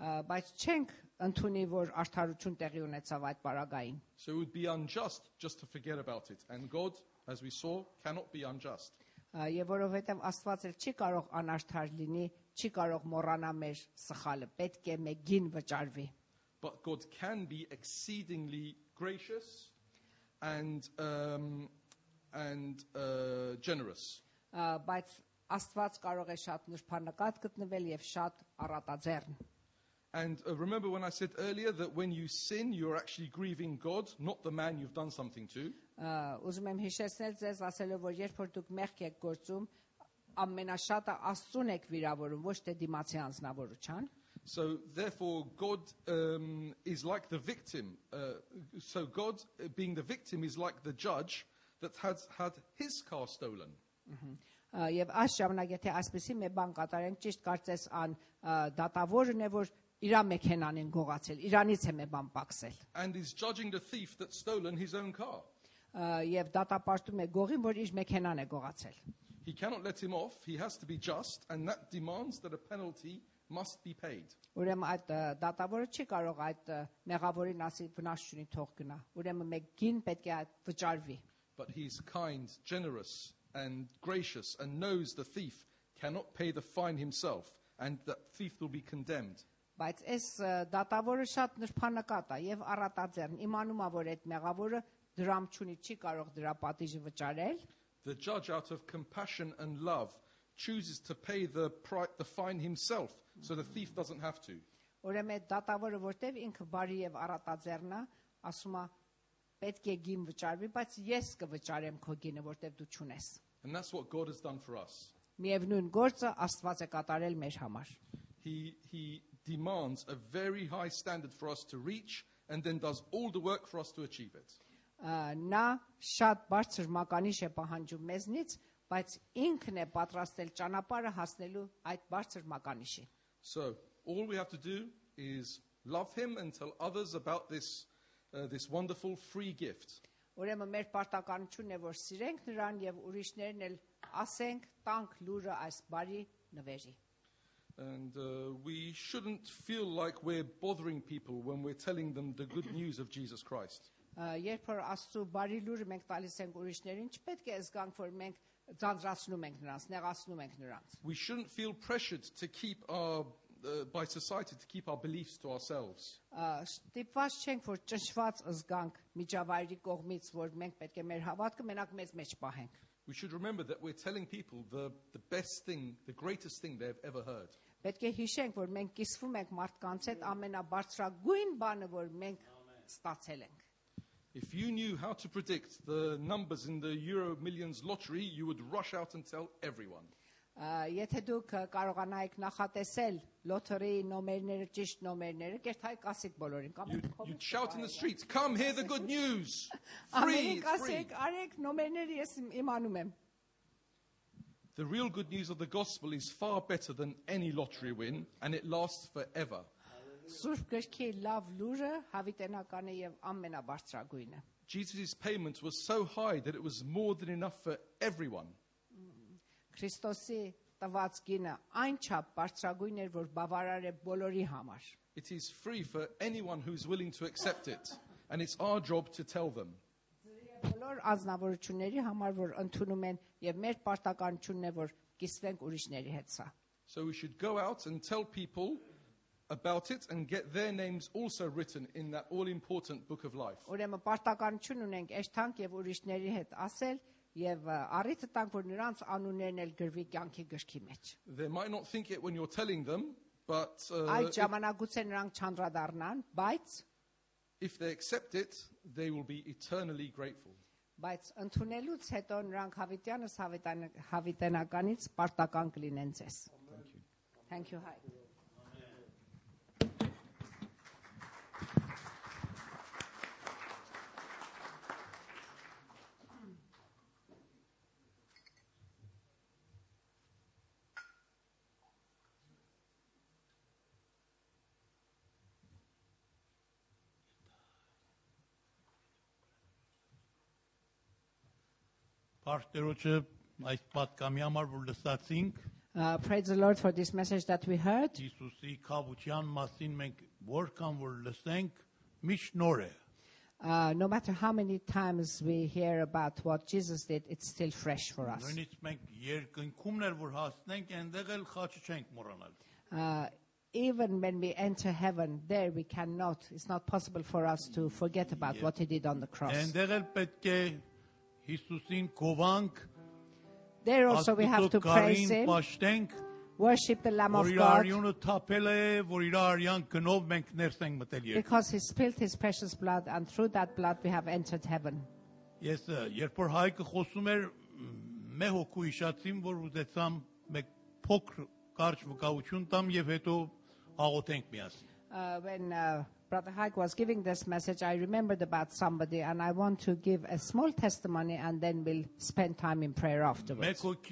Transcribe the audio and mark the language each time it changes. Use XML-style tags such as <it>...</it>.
<hy>Բայց չենք ընդունի, որ արդարություն տեղի ունեցավ այդ պարագային.</hy> <en>So it would be unjust just to forget about it, and God, as we saw, cannot be unjust.</en> <hy>Եվ որովհետև Աստված էլ չի կարող անարդար լինի, չի կարող մոռանա մեր սխալը, պետք է մեզ գին վճարվի։</hy> <en>But God can be exceedingly gracious and generous.</en> <hy>Բայց Աստված կարող է շատ նրբանկատ գտնվել եւ շատ առատաձեռն։</hy> <en>And remember when I said earlier that when you sin you're actually grieving God, not the man you've done something to.</en> <hy>Ուզում եմ հիշեցնել ձեզ, ասելով որ երբ որ դուք մեղք եք գործում, ամենաշատը Աստծուն եք վիրավորում, ոչ թե դիմացի անձնավորության։</hy> <en>So therefore God is like the victim. So God being the victim is like the judge that has had his car stolen.</en> <hy>Եվ այս ժամանակ եթե այսպեսի մի բան կատարենք, ճիշտ կարծես ան դատավորն է, որ իրա մեքենան են գողացել, իրանից է մի բան փակսել.</hy> <en>And is judging the thief that's stolen his own car.</en> <hy>Եվ դատապարտում է գողին, որ իր մեքենան է գողացել.</hy> <en>He cannot let him off, he has to be just and that demands that a penalty must be paid.</en> <hy>Ուրեմն այդ դատավորը չի կարող այդ մեղավորին ասի վնաս չունի թող գնա։ Ուրեմն մեկ գին պետք է վճարվի։</hy> <en>But he is kind, generous and gracious and knows the thief cannot pay the fine himself and the thief will be condemned.</en> <hy>Բայց այս դատավորը շատ նրբանկատ է եւ առատաձեռն, իմանում է որ այդ մեղավորը դրամ չունի, չի կարող դրա պատիժը վճարել։</hy> <en>The judge out of compassion and love chooses to pay the fine himself so the thief doesn't have to.</en> <hy>Ուրեմն դատավորը որտեւ ինքը բարի եւ առատաձեռն է, ասում է պետք է գին վճարվի, բայց ես կվճարեմ քո գինը, որտեւ դու չունես։</hy> <en>And that's what God has done for us.</en> <hy>Միևնույն գործը Աստված է կատարել մեր համար։</hy> <en>He demands a very high standard for us to reach and then does all the work for us to achieve it.</en> <hy>Նա շատ բարձր մականիշ է պահանջում մեզնից, բայց ինքն է պատրաստել ճանապարհը հասնելու այդ բարձր մականիշին։</hy> <en>So all we have to do is love him and tell others about this wonderful free gift.</en> <hy>Ուրեմն մեր պարտականությունն է որ սիրենք նրան եւ ուրիշներին էլ ասենք տանք լուրը այս բարի նվերի։</hy> <en>And we shouldn't feel like we're bothering people when we're telling them the good news of Jesus Christ.</en> <hy>Երբ որ Աստու բարի լուրը մենք տալիս ենք ուրիշներին, չպետք է զգանք, որ մենք ձանձրացնում ենք նրանց, նեղացնում ենք նրանց։</hy> <en>We shouldn't feel pressured to keep our by society to keep our beliefs to ourselves.</en> <hy>Ստիպված չենք, որ ճշված զգանք միջավայրի կողմից, որ մենք պետք է մեր հավատքը մենակ մեզ մեջ պահենք։</hy> <en>We should remember that we're telling people the best thing, the greatest thing they've ever heard.</en> <hy>Պետք է հիշենք, որ մենք կիսվում ենք մարդկանց հետ ամենաբարձրագույն բանը, որ մենք ստացել ենք։</hy> <en>If you knew how to predict the numbers in the Euro Millions lottery, you would rush out and tell everyone.</en> <hy>Եթե դուք կարողանայիք նախատեսել լոթերեի նոմերները, ճիշտ նոմերները, կերթայիք ասիք բոլորին, կամ</hy> <en>You shout in the streets, come hear the good news. Free.</en> <hy>Ասեք, արեք նոմերները, ես իմանում եմ.</hy> <en>The real good news of the gospel is far better than any lottery win and it lasts forever.</en> <hy>Սուրբ գրքի լավ լուրը հավիտենական է եւ ամենաբարձրագույնը։</hy> <en>Jesus's payment was so high that it was more than enough for everyone.</en> <hy>Քրիստոսի տված գինը այնչափ բարձրագույն էր, որ բավարար է բոլորի համար։</hy> <en>It is free for anyone who is willing to accept it, and it's our job to tell them.</en> <hy>Բոլոր ազնվորությունների համար, որ ընդունում են, եւ մեր պարտականությունն է, որ կիսվենք ուրիշների հետ սա։</hy> <en>So we should go out and tell people about it and get their names also written in that all important book of life.</en> <hy>Ուրեմն պարտականություն ունենք այդքան եւ ուրիշների հետ ասել եւ առիթը տանք որ նրանց անուններն էլ գրվի կյանքի գրքի մեջ։</hy> <en>They might not think it when you're telling them, but</en> <hy>այդ ժամանակուց են նրանք չանդրադառնան, բայց</hy> <en>if they accept it, they will be eternally grateful.</en> <hy>Բայց ընդունելուց հետո նրանք հավիտյանս հավիտենականից պարտական կլինեն ձեզ։</hy> <en>Thank you. Thank you, hi.</en> <hy>Պարտերոջը այս պատկամի համար որ լսացինք</hy> <en>Praise the Lord for this message that we heard.</en> <hy>Հիսուսի կավության մասին մենք որքան որ լսենք միշտ նոր է.</hy> <en>No matter how many times we hear about what Jesus did, it's still fresh for us.</en> <hy>Նույնիսկ մենք երկնքումն էլ որ հասնենք, այնտեղ էլ խաչը չենք մոռանալ.</hy> <en>Even when we enter heaven, there we cannot, it's not possible for us to forget about what he did on the cross.</en> <hy>Այնտեղ էլ պետք է Հիսուսին գովանք</hy> <en>There also we have to praise him.</en> <hy>Պաշտենք,</hy> <en>worship the Lamb of God.</en> <hy>Որ իր արյունը թափել է, որ իր արյան գնով մենք ներս ենք մտել երկրում.</hy> <en>Because he spilled his precious blood and through that blood we have entered heaven.</en> <hy>Ես երբ որ Հայկը խոսում էր, մե հոգու հիշացին, որ ուզեցամ մեկ փոքր կարճ վկայություն տամ եւ հետո հաղորդենք միասին։</hy> <en>When Brother Hike was giving this message, I remembered about somebody, and I want to give a small testimony, and then we'll spend time in prayer afterwards.</en>